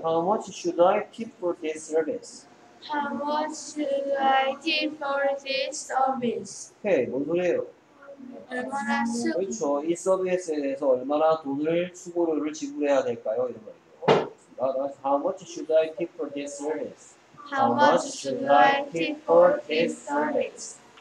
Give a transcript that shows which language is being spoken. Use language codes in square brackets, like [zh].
[en] How much should I tip for this service? How much should I tip for this service? [ko] 오케이, okay, 뭔 소리예요? 얼마나 그렇죠. 이 서비스에 대해서 얼마나 돈을 수고료를 지불해야 될까요? 이런 거예요. [en] How much should I tip for this service? How much should I tip for this service?